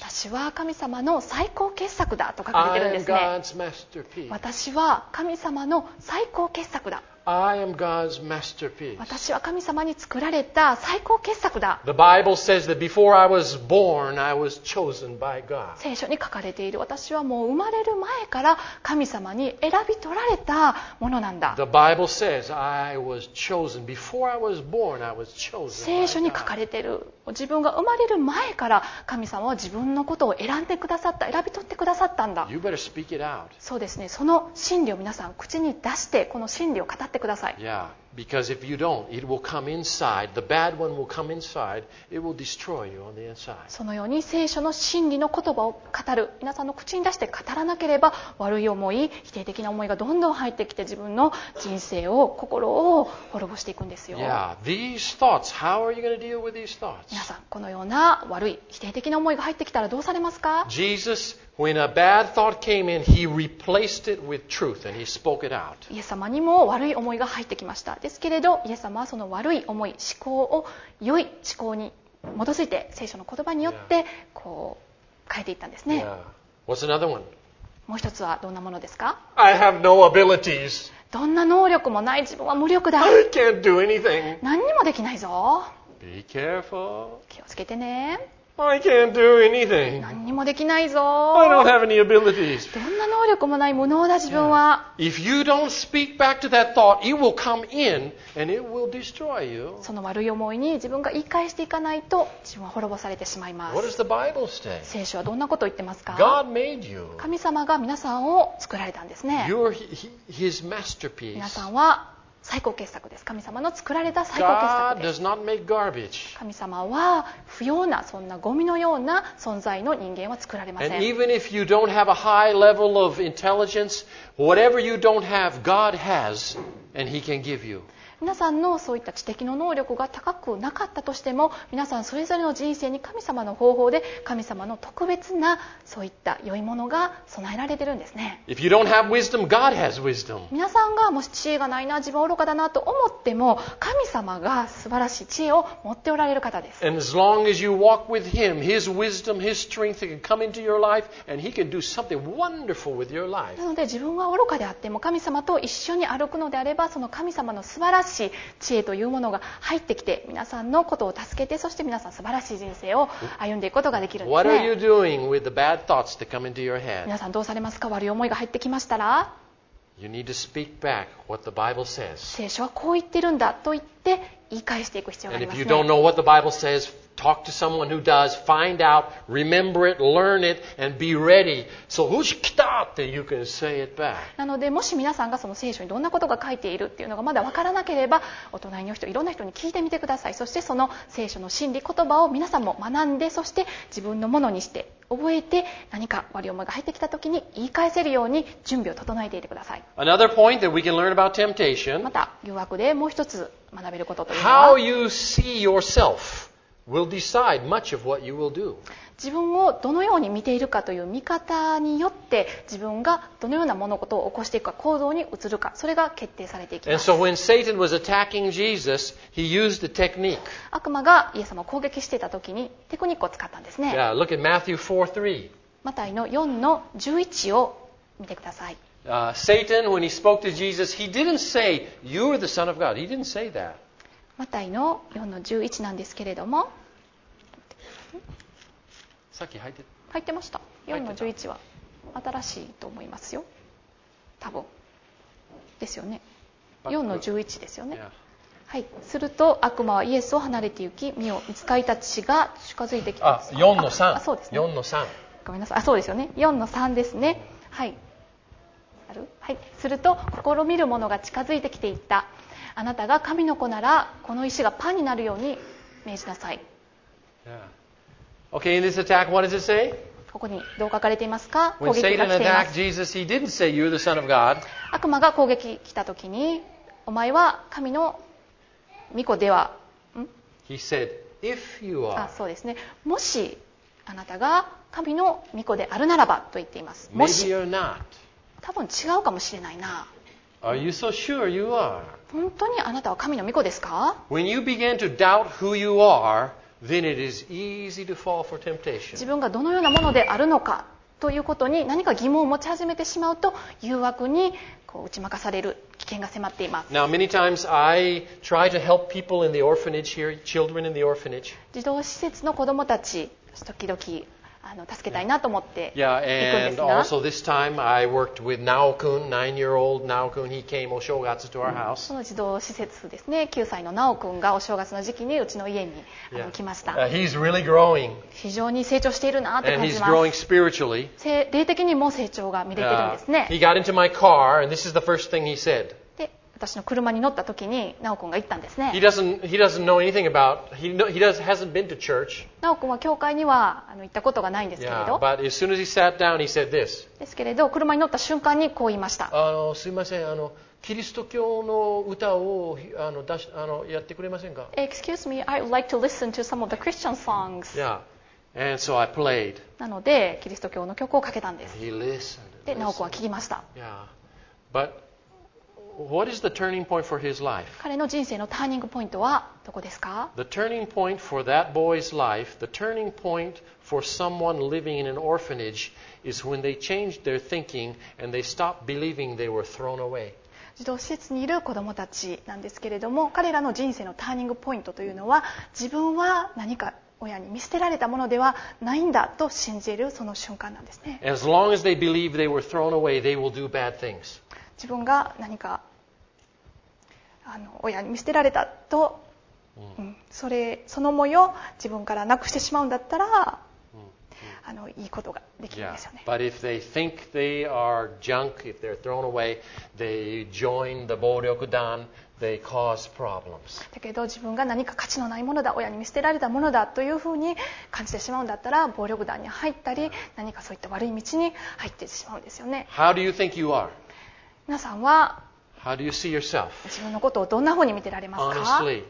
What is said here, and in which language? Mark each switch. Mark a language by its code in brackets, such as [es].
[ja] 私は神様の最高傑作だと書かれているんですね。 [en] I am God's masterpiece. [ja] 私は神様の最高傑作だ。 [en] I am God's masterpiece. [ja] 私は神様に作られた最高傑作だ。 [en] The Bible says that before I was born, I was chosen by God. [ja] 聖書に書かれている私はもう生まれる前から神様に選び取られたものなんだ。 [en] The Bible says I was chosen before I was born. I was chosen by God. [ja] 聖書に書かれている自分が生まれる前から神様は自分のことを選んでくださった、選び取ってくださったんだ。 [en] You better speak it out. [ja] そうですね。その真理を皆さん口に出してこの真理を語ってください。 [en] Yeah, because if you don't, it will come inside. The bad one will come inside. It will destroy you on the inside. [ja] そのように聖書の真理の言葉を語る、皆さんの口に出して語らなければ、悪い思い、否定的な思いがどんどん入ってきて自分の人生を心を滅ぼしていくんですよ。 [en] Yeah, these thoughts. How are you going to deal with these thoughts? [ja] 皆さんこのような悪い否定的な思いが入ってきたらどうされますか [en] ？Jesus, when a bad thought came in, he replaced it with truth and he spoke it out. [ja] イエス様にも悪い思いが入ってきました。ですけれど、イエス様はその悪い思い、思考を良い思考に基づいて聖書の言葉によってこう変えていったんですね。 [en] Yeah. What's another one? [ja] もう一つはどんなものですか [en] ？I have no abilities. [ja] どんな能力もない自分は無力だ。 [en] I can't do anything. [ja] 何にもできないぞ。 [en] Be careful. [ja] 気をつけてね。 [en] I can't do anything. [ja] 何にもできないぞ。 [en] I don't have any abilities. [ja] どんな能力もない無能だ自分は。 [en] Yeah. If you don't speak back to that thought, it will come in and it will destroy you. [ja] その悪い思いに自分が言い返していかないと自分は滅ぼされてしまいます。 [en] What does the Bible say? [ja] 聖書はどんなことを言ってますか [en] ？God made you. [ja] 神様が皆さんを作られたんですね。 [en] You're His masterpiece. [ja] 皆さんは最高傑作です。神様の作られた最高傑作です。 [en] God does not make garbage. [ja] 神様は不要な、そんなゴミのような存在の人間は作られません。 [en] And even if you don't have a high level of intelligence, whatever you don't have, God has, and He can give you. [ja] 皆さんのそういった知的の能力が高くなかったとしても、皆さんそれぞれの人生に神様の方法で、神様の特別なそういった良いものが備えられてるんですね。 [en] If you don't have wisdom, God has wisdom. [ja] 皆さんがもし知恵がないな、自分は愚かだなと思っても、神様が素晴らしい知恵を持っておられる方です。 [en] And as long as you walk with Him, His wisdom, His strength can come into your life, and He can do something wonderful with your life. [ja] なので自分は愚かであっても、神様と一緒に歩くのであれば、その神様の素晴らしい知恵というものが入ってきて皆さんのことを助けてそして皆さん素晴らしい人生を歩んでいくことができるんですね。 [en] What are you doing with the bad thoughts that come into your head? [ja] 皆さんどうされますか悪い思いが入ってきましたら [en] You need to speak back what the Bible says. [ja] 聖書はこう言ってるんだと言って言い返していく必要がありますね。 [en] And if you don't know what the Bible says, talk to someone who does. Find out, remember it, learn it, and be ready. So, who's kita? Then you can say it back. [ja] なので、もし皆さんがその聖書にどんなことが書いているっていうのがまだわからなければ、お隣の人、いろんな人に聞いてみてください。そして、その聖書の真理言葉を皆さんも学んで、そして自分のものにして覚えて、何か悪い思いが入ってきたときに言い返せるように準備を整えていてください。 [en] Another point that we can learn about temptation. [ja] また誘惑でもう一つ学べることというの [en] は、How you see yourself. Will decide much of what you will do. [ja] 自分をどのように見ているかという見方によって自分がどのような物事を起こしていくか行動に移るかそれが決定されていきます。 [en] And so when Satan was attacking Jesus, he used a technique. [ja] 悪魔がイエス様を攻撃していた時にテクニックを使ったんですね。 [en] Yeah, look at Matthew 4:3. [ja] マタイの4の11を見てください。 [en] Satan, when he spoke to Jesus, he didn't say, "You are the Son of God." He didn't say that. [ja] マタイの4の11なんですけれどもさっき入ってました4の11は新しいと思いますよ多分ですよね4の11ですよね、 [en] yeah. [ja] はい、すると悪魔はイエスを離れて行き身を見つかりたちが近づいてきたあ4の3 ああそうです、ね、 4の 3ごめんなさいあそうですよね4の3ですねはい、はい、すると試みるものが近づいてきていったあなたが神の子ならこの石がパンになるように命じなさい。 [en] Yeah. Okay, in this attack, what does it say? [ja] ここにどう書かれていますか？攻撃が来ています。 [en] Jesus, he didn't say, you're the son of God. [ja] 悪魔が攻撃来た時に、お前は神の御子では。 [en] He said, if you are. [ja] あ、そうですね。もしあなたが神の御子であるならばと言っています。もし。 [en] Maybe you're not. [ja] 多分違うかもしれないな。 [en] Are you so sure you are? [ja] 本当にあなたは神の御子ですか？ [en] When you begin to doubt who you are, then it is easy to fall for temptation. [ja] 自分がどのようなものであるのかということに何か疑問を持ち始めてしまうと、誘惑にこう打ち負かされる危険が迫っています。 [en] Now, many times I try to help people in the orphanage here, children in the orphanage. [ja] 児童施設の子どもたち、時々助けたいなと思って行くんですが。 [en] Yeah, and also this time I worked with Nao-kun, nine-year-old Nao-kun. He came お正月 to our house. [ja] その児童施設ですね。 9歳の Nao-kun がお正月の時期にうちの家に来ました。 [en] Yeah. He's really growing. [ja] 非常に成長しているなと感じます。 [en] And he's growing spiritually. [ja] 霊的にも成長が見れているんですね。 [en] He got into my car, and this is the first thing he said. [ja] で、私の車に乗った時に Nao-kun が言ったんですね。 [en] He doesn't know anything about. He hasn't been to church. [ja] なお君は教会には行ったことがないんですけれど。 [en] Yeah, but as soon as he sat down, he said this. [ja] ですけれど、車に乗った瞬間にこう言いました。すいません、キリスト教の歌をやってくれませんか？ [en] Excuse me, I would like to listen to some of the Christian songs. Yeah, and so I played. [ja] なので、キリスト教の曲をかけたんです。 [en] He listened. [ja] で、なお君は聞きました。 [en] Yeah, but what is the turning point for his life? [ja] 彼の人生のターニングポイントはどこですか？ [en] The turning point for that boy's life, the turning point for someone living in an orphanage is when they changed their thinking and they stopped believing they were thrown away. [ja] 児童施設にいる子どもたちなんですけれども、彼らの人生のターニングポイントというのは、自分は何か親に見捨てられたものではないんだと信じるその瞬間なんですね。 [en] As long as they believe they were thrown away, they will do bad things. [ja] 自分が何か親に見捨てられたと、その思いを自分からなくしてしまうんだったら、いいことができるんですよね。 [en] Yeah. But if they think they are junk, if they're thrown away, they join the 暴力団、they cause problems. [ja] だけど自分が何か価値のないものだ、親に見捨てられたものだというふうに感じてしまうんだったら、暴力団に入ったり、何かそういった悪い道に入ってしまうんですよね。 [en] How do you think you are? [ja] 皆さんは自分のことをどんなふうに見てられますか？